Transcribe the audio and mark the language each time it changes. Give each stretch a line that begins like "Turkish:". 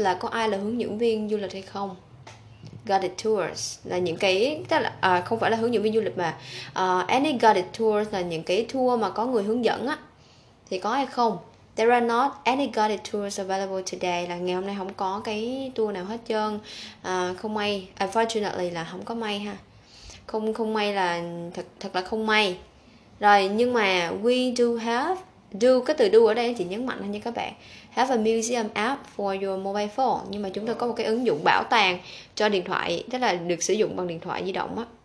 Vietnamese: Là có ai là hướng dẫn viên du lịch hay không? Guided tours là những cái, tức là không phải là hướng dẫn viên du lịch mà
English: any guided tours
Vietnamese: là những cái tour mà có người hướng dẫn á, thì có hay không?
English: There are not any guided tours available today.
Vietnamese: Là ngày hôm nay không có cái tour nào hết trơn. Không may, unfortunately là không có may ha. Không may là thật là không may. Rồi nhưng mà
English: we do have.
Vietnamese: Do, cái từ do ở đây chỉ nhấn mạnh thôi nha các bạn.
English: Have a museum app for your mobile phone.
Vietnamese: Nhưng mà chúng ta có một cái ứng dụng bảo tàng cho điện thoại, tức là được sử dụng bằng điện thoại di động á.